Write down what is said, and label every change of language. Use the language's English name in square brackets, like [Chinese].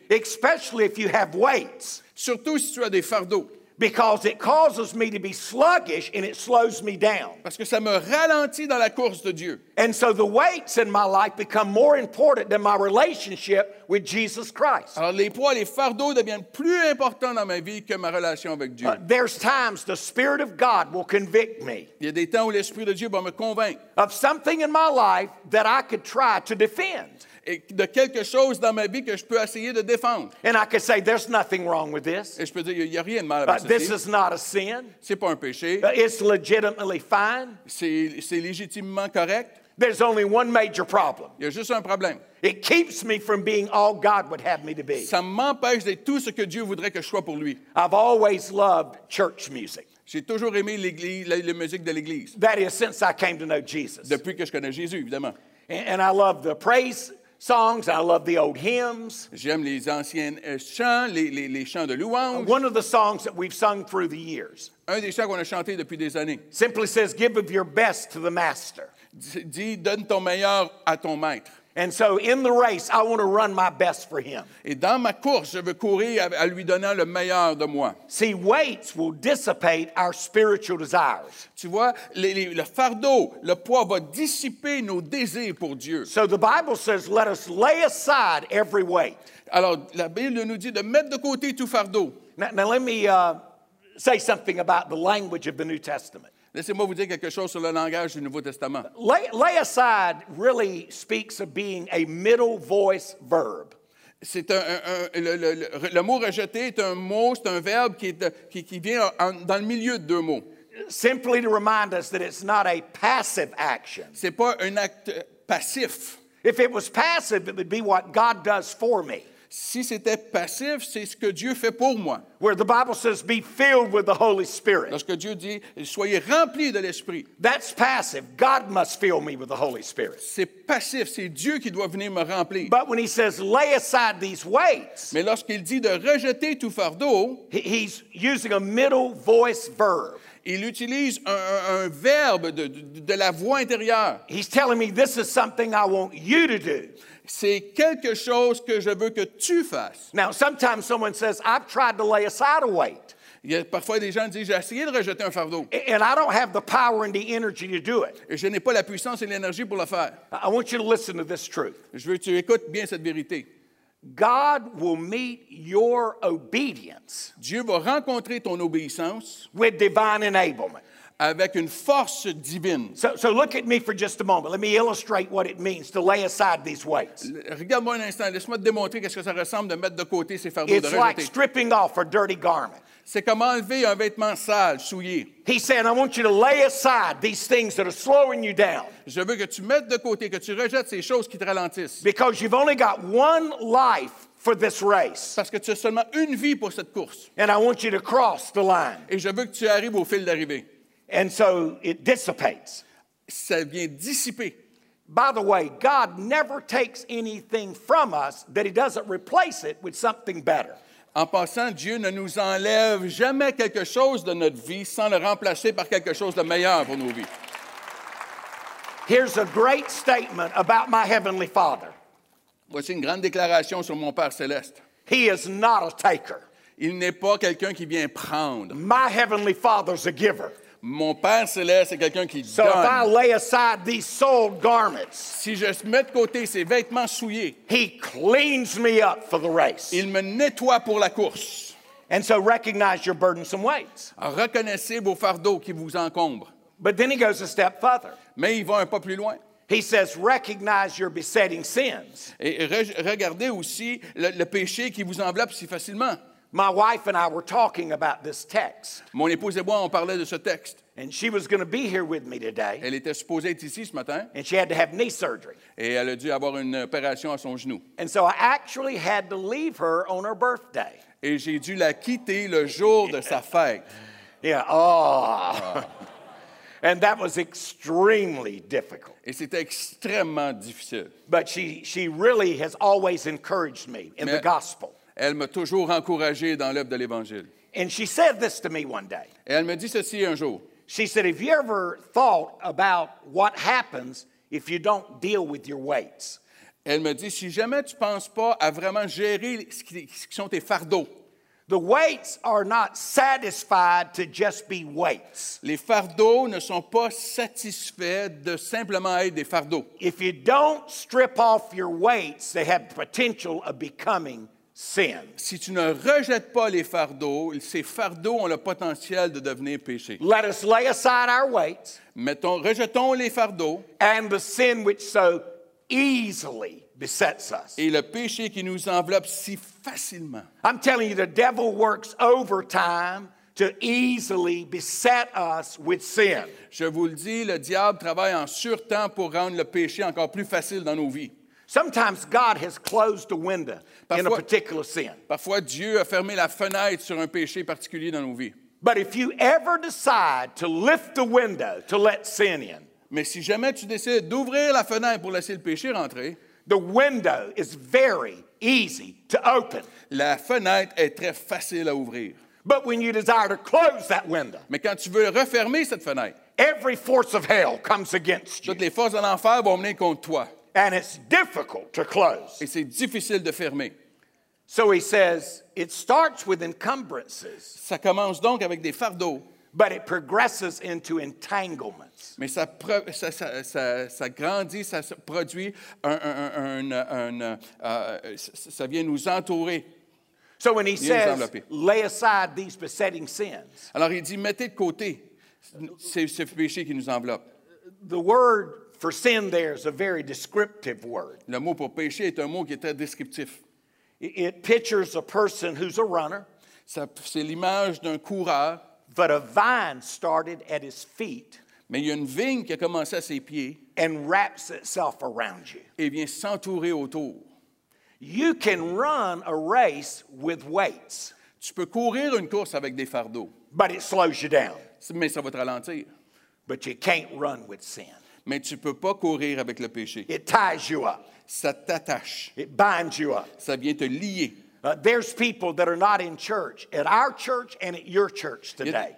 [English] Especially if you have weights. [French] Surtout si tu as des fardeaux. [English] Because it causes me to be sluggish and it slows me down. [French] Parce que ça me ralentit dans la course de Dieu. [English] And so the weights in my life become more important than my relationship with Jesus Christ. [French] Alors les poids, les fardeaux deviennent plus importants dans ma vie que ma relation avec Dieu. [English] There's times the Spirit of God will convict me. [French] Il y a des temps où l'Esprit de Dieu va me convaincre. [English] Of something in my life that I could try to defend. [French] Et de quelque chose dans ma vie que je peux essayer de défendre. [English] And I could say, there's nothing wrong with this. [French] Et je peux dire, il n'y a rien de mal avec ceci. [English] This is not a sin. [French] C'est pas un péché. [English] It's legitimately fine. [French] C'est légitimement correct. [English] There's only one major problem. [French] Il y a juste un problème. [English] It keeps me from being all God would have me to be. [French] Ça m'empêche d'être tout ce que Dieu voudrait que je sois pour lui. [English] I've always loved church music. [French] J'ai toujours aimé l'église, la musique de l'église. [English] That is since I came to know Jesus. [French] Depuis que je connais Jésus, évidemment. [English] And I love the praise songs. I love the old hymns. [French] J'aime les anciens chants, les chants de louange. [English] One of the songs that we've sung through the years. [French] Un des chants qu'on a chanté depuis des années. [English] Simply says, give of your best to the master. [French] Dis, donne ton meilleur à ton maître. [English] And so in the race, I want to run my best for him. [French] Et dans ma course, je veux courir à lui donnant le meilleur de moi. [English] See, weights will dissipate our spiritual desires. [French] Tu vois, le fardeau, le poids va dissiper nos désirs pour Dieu. [English] So the Bible says, let us lay aside every weight. [French] Alors, la Bible nous dit de mettre de côté tout fardeau. [English] Now let me say something about the language of the New Testament. [French] Laissez-moi vous dire quelque chose sur le langage du Nouveau Testament. [English] Lay aside really speaks of being a middle voice verb. [French] C'est le mot rejeter est un mot, c'est un verbe qui vient dans le milieu de deux mots. [English] Simply to remind us that it's not a passive action. [French] C'est pas un acte passif. [English] If it was passive, it would be what God does for me. [French] Si c'était passif, c'est ce que Dieu fait pour moi. [English] Where the Bible says, be filled with the Holy Spirit. [French] Lorsque Dieu dit, soyez remplis de l'Esprit. [English] That's passive. God must fill me with the Holy Spirit. [French] C'est passif. C'est Dieu qui doit venir me remplir. [English] But when he says, lay aside these weights. [French] Mais lorsqu'il dit de rejeter tout fardeau. [English] He's using a middle voice verb. [French] Il utilise un verbe de la voix intérieure. [English] He's telling me, this is something I want you to do. [French] C'est quelque chose que je veux que tu fasses. [English] Now, sometimes someone says, I've tried to lay aside a weight. [French] Il y a parfois des gens qui disent, j'ai essayé de rejeter un fardeau. [English] And I don't have the power and the energy to do it. [French] Et je n'ai pas la puissance et l'énergie pour le faire. [English] I want you to listen to this truth. [French] Je veux que tu écoutes bien cette vérité. [English] God will meet your obedience. [French] Dieu va rencontrer ton obéissance. [English] With divine enablement. [French] Avec une force divine. [English] So look at me for just a moment. Let me illustrate what it means to lay aside these weights. [French] Regarde-moi un instant. Laisse-moi te démontrer qu'est-ce que ça ressemble de mettre de côté ces fardeaux. [English] It's like stripping off a dirty garment. [French] C'est comme enlever un vêtement sale, souillé. [English] He said, I want you to lay aside these things that are slowing you down. [French] Je veux que tu mettes de côté, que tu rejettes ces choses qui te ralentissent. [English] Because you've only got one life for this race. [French] Parce que tu as seulement une vie pour cette course. [English] And I want you to cross the line. [French] Et je veux que tu arrives au fil d'arrivée. [English] And so it dissipates. [French] Ça vient dissiper. [English] By the way, God never takes anything from us that he doesn't replace it with something better. [French] En passant, Dieu ne nous enlève jamais quelque chose de notre vie sans le remplacer par quelque chose de meilleur pour nos vies. [English] Here's a great statement about my heavenly Father. [French] Voici une grande déclaration sur mon Père céleste. [English] He is not a taker. [French] Il n'est pas quelqu'un qui vient prendre. [English] My heavenly Father's a giver. [French] Mon Père céleste est quelqu'un qui so donne. [English] If I lay aside these soiled garments, [French] si je mets de côté ces vêtements souillés, [English] he cleans me up for the race. [French] Il me nettoie pour la course. [English] And so recognize your burdensome weights. [French] Reconnaissez vos fardeaux qui vous encombrent. [English] But then he goes a step further. [French] Mais il va un pas plus loin. [English] He says, recognize your besetting sins. [French] Et regardez aussi le péché qui vous enveloppe si facilement. [English] My wife and I were talking about this text. [French] Mon épouse et moi, on parlait de ce texte. [English] And she was going to be here with me today. [French] Elle était supposée être ici ce matin. [English] And she had to have knee surgery. [French] Et elle a dû avoir une opération à son genou. [English] And so I actually had to leave her on her birthday. [French] Et j'ai dû la quitter le jour de sa fête. [English] Yeah, oh. And that was extremely difficult. [French] Et c'était extrêmement difficile. [English] But she really has always encouraged me in the gospel. [French] Elle m'a toujours encouragé dans l'œuvre de l'Évangile. [English] And she said this to me one day. [French] Et elle me dit ceci un jour. [English] She said, "Have you ever thought about what happens if you don't deal with your weights?" [French] Elle me dit, si jamais tu penses pas à vraiment gérer ce qui sont tes fardeaux. [English] The weights are not satisfied to just be weights. [French] Les fardeaux ne sont pas satisfaits de simplement être des fardeaux. [English] If you don't strip off your weights, they have the potential of becoming sin. [French] Si tu ne rejettes pas les fardeaux, ces fardeaux ont le potentiel de devenir péché. [English] Let us lay aside our weights. [French] Rejetons les fardeaux. [English] And the sin which so easily besets us. [French] Et le péché qui nous enveloppe si facilement. [English] I'm telling you, the devil works overtime to easily beset us with sin. [French] Je vous le dis, le diable travaille en surtemps pour rendre le péché encore plus facile dans nos vies. [English] Sometimes God has closed a window in a particular sin. [French] Parfois Dieu a fermé la fenêtre sur un péché particulier dans nos vies. [English] But if you ever decide to lift the window to let sin in, [French] mais si jamais tu décides d'ouvrir la fenêtre pour laisser le péché rentrer, [English] the window is very easy to open. [French] La fenêtre est très facile à ouvrir. [English] But when you desire to close that window, [French] mais quand tu veux refermer cette fenêtre, [English] every force of hell comes against you. [French] Toutes les forces de l'enfer vont venir contre toi. [English] And it's difficult to close. [French] Et c'est difficile de fermer. [English] So he says, it starts with encumbrances. [French] Ça commence donc avec des fardeaux. [English] But it progresses into entanglements. [French] Mais ça grandit, ça produit ça vient nous entourer. [English] So when he says, lay aside these besetting sins. [French] Alors il dit, mettez de côté ces péchés qui nous enveloppent. [English] The word for sin there is a very descriptive word. [French] Le mot pour péché est un mot qui est très descriptif. [English] It pictures a person who's a runner. [French] C'est l'image d'un coureur. [English] But a vine started at his feet. [French] Mais il y a une vigne qui a commencé à ses pieds. [English] And wraps itself around you. [French] Et vient s'entourer autour. [English] You can run a race with weights. [French] Tu peux courir une course avec des fardeaux. [English] But it slows you down. [French] Mais ça va te ralentir. [English] But you can't run with sin. [French] Mais tu peux pas courir avec le péché. [English] It ties you up. [French] Ça t'attache. [English] It binds you up. [French] Ça vient te lier. [English] There's people that are not in church, at our church and at your church today.